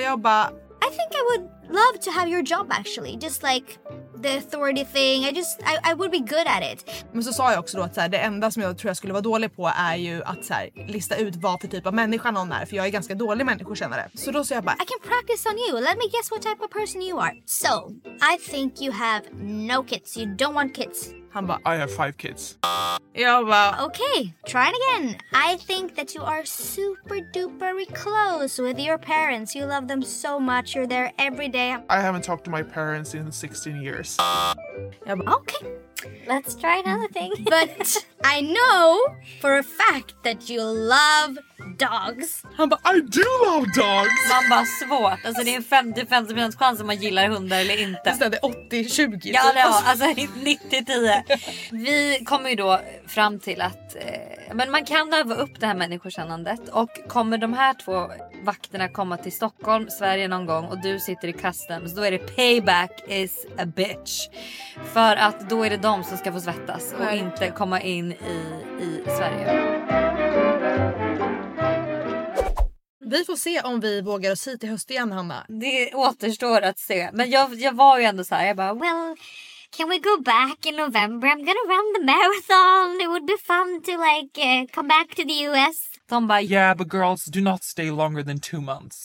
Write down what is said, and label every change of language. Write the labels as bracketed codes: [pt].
[sv] Jag bara, [en] I think I would love to have your job actually. Just like the authority thing. I would be good at it. [sv] Men så sa jag också då att så här, det enda som jag tror jag skulle vara dålig på är ju att så här, lista ut vad för typ av människa någon är. För jag är ganska dålig människokännare. Så då sa jag bara, [en] I can practice on you. Let me guess what type of person you are. So, I think you have no kids. You don't want kids. [sv] Han bara, [en] I have 5 kids. [sv] Jag bara, [en] okay, try it again. I think that you are super duper close with your parents. You love them so much. You're there every day. I haven't talked to my parents in 16 years. [sv] Jag bara, [en] okay, let's try another thing. But I know for a fact that you love dogs. [sv] Han bara, [en] I do love dogs. [sv] Man bara, svårt. Alltså det är en 50-50% chans om man gillar hundar eller inte. Det är 80-20. Ja, det är, alltså 90-10. Vi kommer ju då fram till att men man kan öva upp det här människokännandet. Och kommer de här två vakterna komma till Stockholm, Sverige någon gång, och du sitter i customs, då är det [en] payback is a bitch. [sv] För att då är det de som ska få svettas och inte komma in i Sverige. Vi får se om vi vågar oss hit i höst igen, Hanna. Det återstår att se. Men jag var ju ändå så här, jag bara, [en] well, can we go back in November? I'm gonna run the marathon. It would be fun to like come back to the US. [sv] De bara, [en] yeah, but girls, do not stay longer than 2 months.